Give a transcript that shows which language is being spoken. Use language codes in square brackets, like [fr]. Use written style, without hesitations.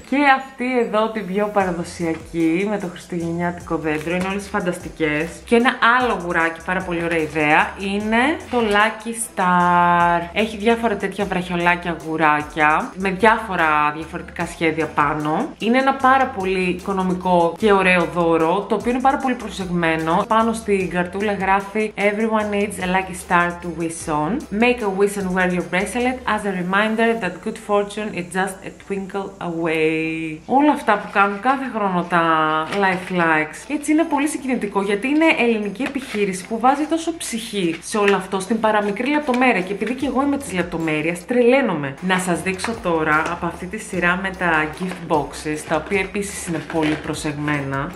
[el] Και αυτή εδώ την πιο παραδοσιακή με το χριστουγεννιάτικο δέντρο, είναι όλες φανταστικές. Και ένα άλλο γουράκι, πάρα πολύ ωραία ιδέα, είναι το Lucky Star. Έχει διάφορα τέτοια βραχιολάκια γουράκια με διάφορα διαφορετικά σχέδια πάνω. Είναι ένα πάρα πολύ οικονομικό και ωραίο δώρο, το οποίο είναι πάρα πολύ προσεγμένο. Πάνω στην καρτούλα γράφει [en] Everyone needs a lucky star to wish on. Make a wish and wear your bracelet as a reminder that good fortune is just a twinkle away. [el] Όλα αυτά που κάνουν κάθε χρόνο τα Life Likes. Έτσι είναι πολύ συγκινητικό, γιατί είναι ελληνική επιχείρηση που βάζει τόσο ψυχή σε όλο αυτό, στην παραμικρή λεπτομέρεια. Και επειδή και εγώ είμαι τη λεπτομέρεια, τρελαίνομαι. Να σας δείξω τώρα από αυτή τη σειρά με τα gift boxes, τα οποία επίσης είναι πολύ προσεγμένα.